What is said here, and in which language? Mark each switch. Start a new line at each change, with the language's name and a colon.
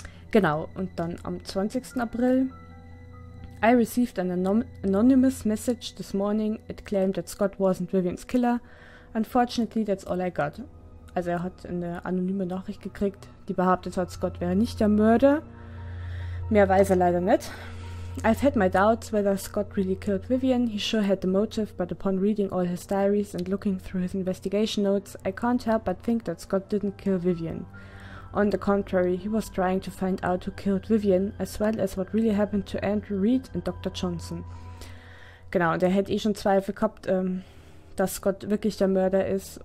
German: Genau, und dann am 20. April.
English: I received an anonymous message this morning. It claimed that Scott wasn't Vivians killer. Unfortunately, that's all I got.
German: Also er hat eine anonyme Nachricht gekriegt, die behauptet hat, Scott wäre nicht der Mörder. Mehr weiß er leider nicht.
English: I've had my doubts whether Scott really killed Vivian. He sure had the motive, but upon reading all his diaries and looking through his investigation notes, I can't help but think that Scott didn't kill Vivian. On the contrary, he was trying to find out who killed Vivian, as well as what really happened to Andrew Reed and Dr. Johnson.
German: Genau, und er hätte eh schon Zweifel gehabt, dass Scott wirklich der Mörder ist.